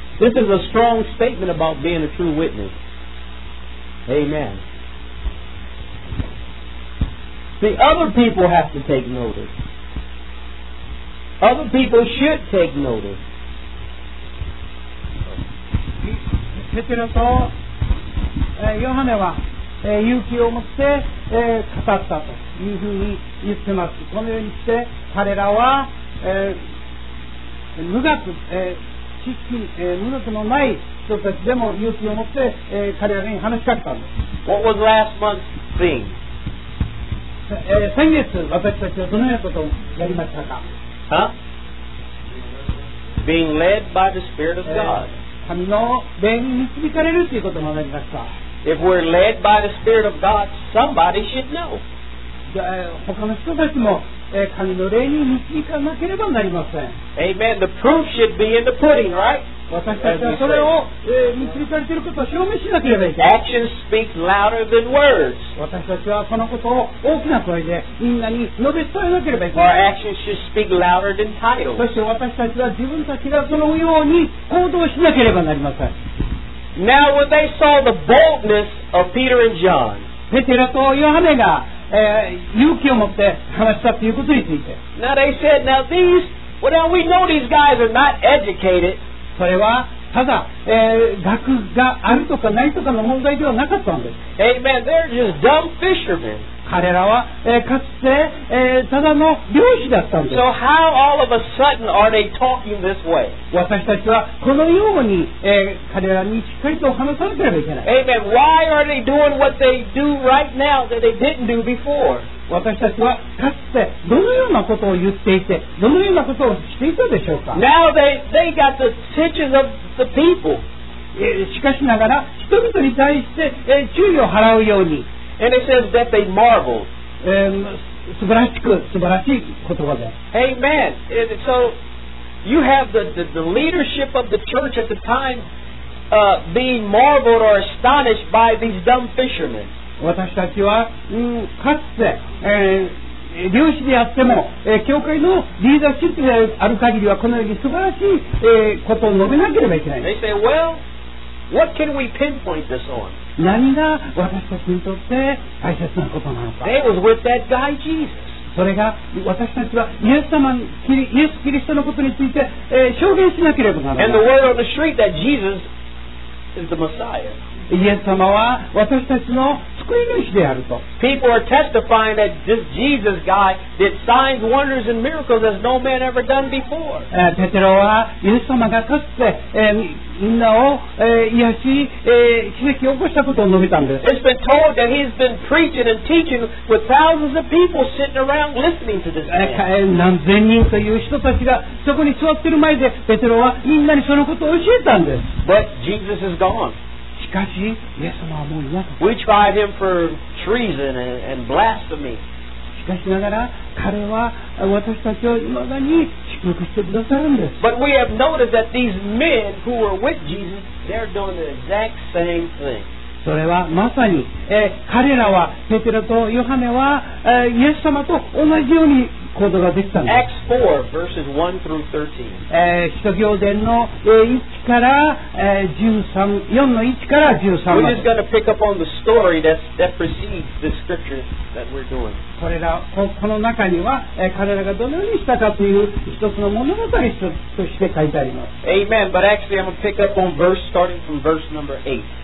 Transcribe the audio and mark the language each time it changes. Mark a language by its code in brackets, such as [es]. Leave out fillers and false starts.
[en] This is a strong statement about being a true witness. Amen. See, other people have to take notice. Other people should take notice. [ja] ペテロと、ヨハネは、勇気を持って、語ったというふうに言ってます。このようにして彼らは、無学、知識、無学のない人たちでも勇気を持って、彼らに話しかけたんです。 [en] What was last month's thing? [ja] 先月私たちはどのようなことをやりましたか、 [en] huh? Being led by the Spirit of God. [ja] 神の霊に導かれるということになりました。 [en] If we're led by the Spirit of God, somebody should know. [ja] 他の人たちも神の霊に導かなければなりません。 [en] Amen. The proof should be in the pudding, right? [ja] 私たちはそれを導かれていることを証明しなければいけない。 [en] Actions speak louder than words. [ja] 私たちはそのことを大きな声でみんなに述べ伝えなければいけない。 [en] Our actions should speak louder than titles. [ja] そして私たちは自分たちがそのように行動しなければなりません。 [en] Now when they saw the boldness of Peter and John, [ja] ペテロとヨハネが勇気を持って話したということについて。 [en] Now they said, now these, well now we know these guys are not educated. [ja] それはただ、学があるとかないとかの問題ではなかったんです。 [en] Amen. They're just dumb fishermen. [ja] 彼らは、かつて、ただの漁師だったんです。 [en] So how all of a sudden are they talking this way? [ja] 私たちはこのように、彼らにしっかりと話さなければいけない。 [en] Amen. Why are they doing what they do right now that they didn't do before? [ja] 私たちはかつてどのようなことを言っていて、どのようなことをしていたでしょうか。 [en] Now they got the attention of the people. [ja] しかしながら人々に対して注意を払うように。 [en] And it says that they marveled. [ja] 素晴らしく、素晴らしい言葉で。 [en] Amen. And so you have the leadership of the church at the time being marveled or astonished by these dumb fishermen. [ja] 私たちは、かつて、漁師であっても、教会のリーダーシップである限りはこのように素晴らしい、ことを述べなければいけない。 [en] They say, well, what can we pinpoint this on? [ja] 何が私たちにとって大切なことなのか。 [en] It was with that guy, Jesus. [ja] それが私たちはイエス様、イエス・キリストのことについて、証言しなければならない。 [en] And the word on the street that Jesus is the Messiah. [ja] イエス様は私たちの救い主であると。 [en] People are testifying that this Jesus guy did signs, wonders, and miracles as no man ever done before. [ja] ペテロはイエス様がかつて、みんなを、癒し、奇跡を起こしたことを述べたんです。 [en] It's been told that he's been preaching and teaching with thousands of people sitting around listening to this man. [ja] 何千人という人たちがそこに座っている前でペテロはみんなにそのことを教えたんです。 [en] But Jesus is gone. [ja] しかし、イエス様はもういなかった。 [en] We tried him for treason and blasphemy. [ja] しかしながら、彼は私たちを未だに祝福してくださるんです。 [en] But we have noticed that these men who were with Jesus, they're doing the exact same thing. [ja] それはまさに、彼らは、ペテロとヨハネは、イエス様と同じように行動ができたんです。 [en] Acts 4, verses 1 through 13. [ja] 使徒行伝の1から13、4の1から13 まで。 [en] We're just going to pick up on the story that precedes the scriptures that we're doing. [ja] これら、この中には、彼らがどのようにしたかという一つの物語として書いてあります。 [en] Amen. But actually, I'm going to pick up on verse starting from verse number 8.